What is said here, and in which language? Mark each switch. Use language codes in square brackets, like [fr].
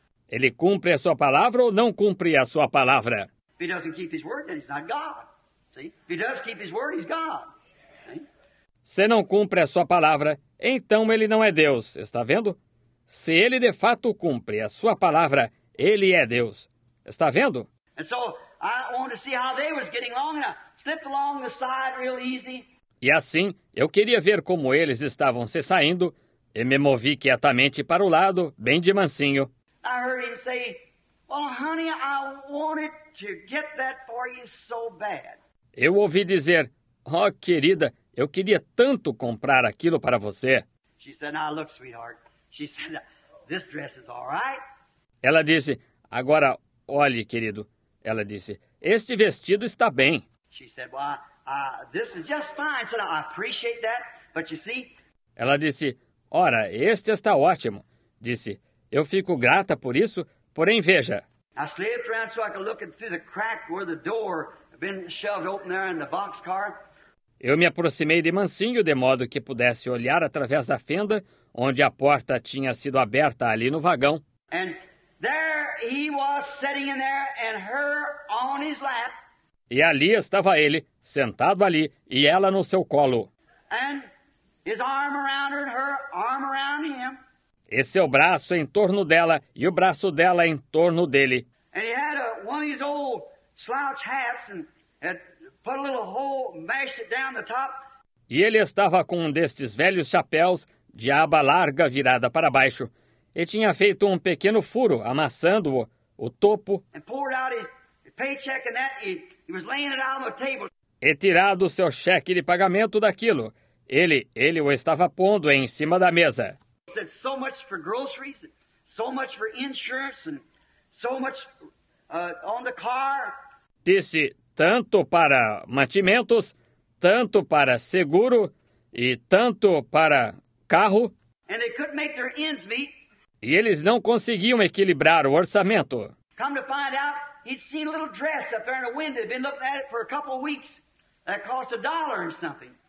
[pt] Ele cumpre a sua palavra ou não cumpre a sua palavra? [en] If he doesn't keep his word, then he's not God. See? If he does keep his word, he's God. [pt] Se não cumpre a sua palavra, então ele não é Deus. Está vendo? Se ele de fato cumpre a sua palavra, ele é Deus. Está vendo? [en] And so I wanted to see how they was getting along, and I slipped along the side real easy. [pt] E assim, eu queria ver como eles estavam se saindo, e me movi quietamente para o lado, bem de mansinho. [en] I heard him say, "Well, honey, I wanted to get that for you so bad." [pt] Eu ouvi dizer, "Oh, querida, eu queria tanto comprar aquilo para você." [en] She said, "Now look, sweetheart." She said, "This dress is all right." [pt] Ela disse, "Agora, olhe, querido." Ela disse, "Este vestido está bem." [en] She said, "Well, this is just fine." So I appreciate that, but you see. [pt] Ela disse, "Ora, este está ótimo." Disse, "Eu fico grata por isso, porém veja." [en] I slipped around so I could look through the crack where the door had been shoved open there in the boxcar. [pt] Eu me aproximei de mansinho de modo que pudesse olhar através da fenda onde a porta tinha sido aberta ali no vagão. [en] And there he was sitting in there and her on his lap. [pt] E ali estava ele, sentado ali, e ela no seu colo. [en] And his arm around her and her arm around him. [pt] E seu braço em torno dela e o braço dela em torno dele. [en] And he had one of these old slouch hats and had put a little hole, mashed it down the top. [pt] E ele estava com um destes velhos chapéus de aba larga virada para baixo. E tinha feito um pequeno furo, amassando-o, o topo. [en] And poured out his paycheck and that he was laying it out on the table. [pt] E tirado o seu cheque de pagamento daquilo, ele o estava pondo em cima da mesa. [en] Said so much for groceries, so much for insurance, and so much on the car. [pt] Disse tanto para mantimentos, tanto para seguro e tanto para carro. [en] And they couldn't make their ends meet. [pt] E eles não conseguiam equilibrar o orçamento. [en] Come to find out, he'd seen a little dress up there in a window. He'd been looking at it for a couple of weeks. That cost a dollar or something.